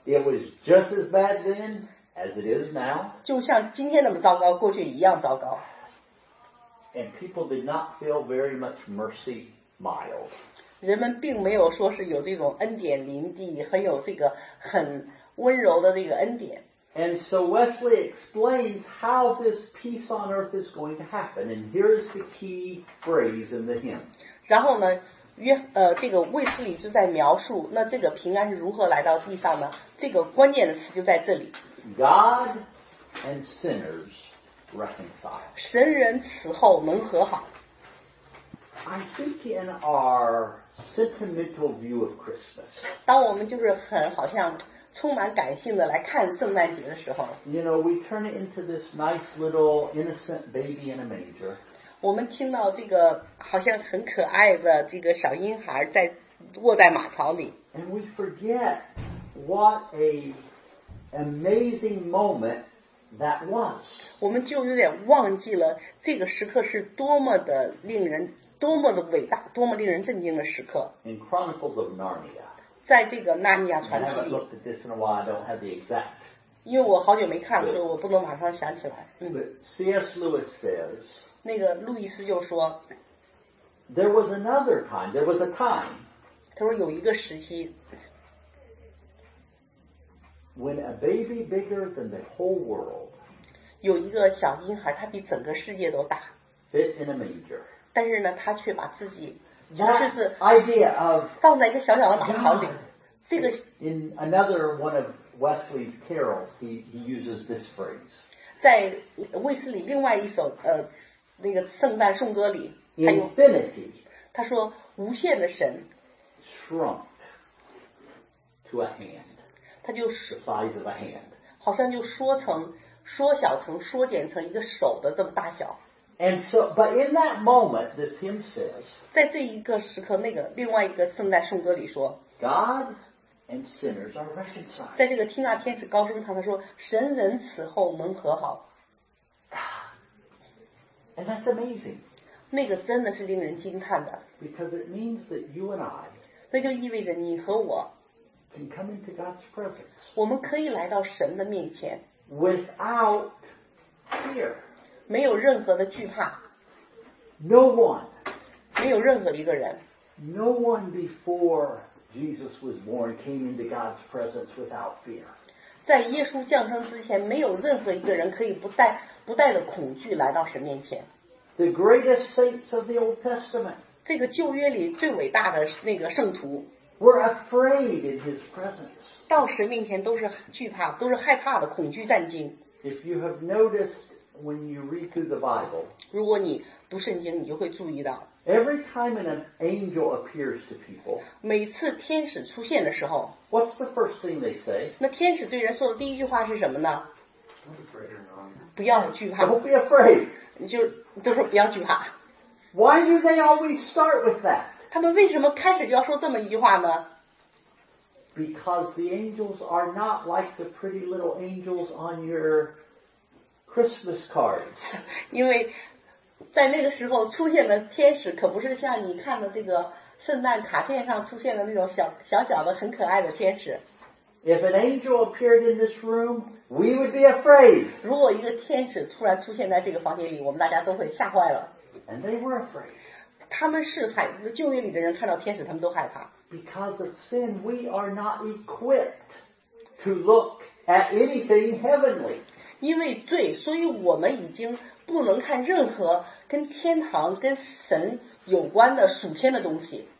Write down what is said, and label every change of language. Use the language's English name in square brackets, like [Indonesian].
[English] It was just as bad then as it is now. [Chinese] 就像今天那么糟糕，过去一样糟糕。 [English] And people did not feel very much mercy mild. [Chinese] 人们并没有说是有这种恩典临地，很有这个很温柔的这个恩典。 [English] And so Wesley explains how this peace on earth is going to happen, and here's the key phrase in the hymn. [Chinese] 然后呢，这个卫斯理就在描述，那这个平安是如何来到地上呢？这个关键的词就在这里。 [English] God and sinners reconcile. [Chinese] 神人此后能和好。 [English] I think in our sentimental view of Christmas, [Chinese] 当我们就是很好像充满感性的来看圣诞节的时候 [English] you know, we turn it into this nice little innocent baby in a manger. [Chinese] 我们听到这个好像很可爱的这个小婴孩在卧在马槽里 [English] And we forget what a amazing moment that was. [Chinese] 我们就有点忘记了这个时刻是多么的令人多么的伟大，多么令人震惊的时刻！ [English] In Chronicles of Narnia, [Chinese] 在这个《纳尼亚传奇》里， [English] I haven't looked at this in a while, I don't have the exact. [Chinese] 因为我好久没看，所以我不能马上想起来。 [English] C.S. Lewis says, [Chinese] 那个路易斯就说， [English] There was another time, there was a time. [Chinese] 他说有一个时期， [English] When a baby bigger than the whole world, [Chinese] 有一个小婴孩，他比整个世界都大， [English] fit in a manger. [Chinese] 但是呢，他却把自己就是 [English] idea of [Chinese] 放在一个小小的马槽里。这个 [English] in another one of Wesley's carols, he uses this phrase. [Chinese] 在卫斯理另外一首那个圣诞颂歌里 [English] ，infinity， [Chinese] 他说无限的神 [English] shrunk to a hand， [Chinese] 他就 [English] the size of a hand， [Chinese] 好像就缩成缩小成缩减成一个手的这么大小。 [English] And so, but in that moment, this hymn says, [Chinese] 在这一个时刻，那个另外一个圣诞颂歌里说， [English] God and sinners are reconciled. [Chinese] 在这个听那天使高声唱，他说，神人此后蒙和好。 [English] God, and that's amazing. [Chinese] 那个真的是令人惊叹的。 [English] Because it means that you and I, [Chinese] 那就意味着你和我， [English] can come into God's presence. [Chinese] 我们可以来到神的面前， [English] without fear. [Chinese] 没有任何的惧怕。 [English] No one. [Chinese] 没有任何一个人。 [English] No one before Jesus was born came into God's presence without fear. [Chinese] 在耶稣降生之前，没有任何一个人可以不带着恐惧来到神面前。 [English] The greatest saints of the Old Testament. [Chinese] 这个旧约里最伟大的那个圣徒。 [English] Were afraid in His presence. [Chinese] 到神面前都是惧怕，都是害怕的，恐惧战惊。 [English] If you have noticed. When you read through the Bible, [Chinese] 如果你读圣经，你就会注意到 [English] every time an angel appears to people, [Chinese] 每次天使出现的时候 [English] what's the first thing they say? [Chinese] 那天使对人说的第一句话是什么呢？ [English] Don't be afraid. [Chinese] 不要惧怕。 [English] Don't be afraid. [Chinese] 就说不要惧怕。 [English] Why do they always start with that? [Chinese] 他们为什么开始就要说这么一句话呢？ [English] Because the angels are not like the pretty little angels on your Christmas cards. [Chinese] 因为在那个时候出现的天使可不是像你看的这个圣诞卡片上出现的那种小小小的很可爱的天使。 [English] If an angel appeared in this room, we would be afraid. [Chinese] 如果一个天使突然出现在这个房间里，我们大家都会吓坏了。 [English] And they were afraid. [Chinese] 他们是害，旧约里的人看到天使，他们都害怕。 [English] Because of sin, we are not equipped to look at anything heavenly. [Chinese] 因为罪，所以我们已经不能看任何跟天堂、跟神有关的属天的东西。